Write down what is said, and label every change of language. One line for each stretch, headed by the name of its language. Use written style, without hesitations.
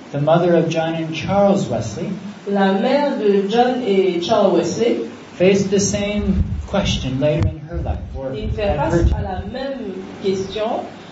English: The mother of John and Charles Wesley.
French: La mère de John et Charles Wesley.
English: Faced the same question later in her life. Or
French: il fait face à la même question.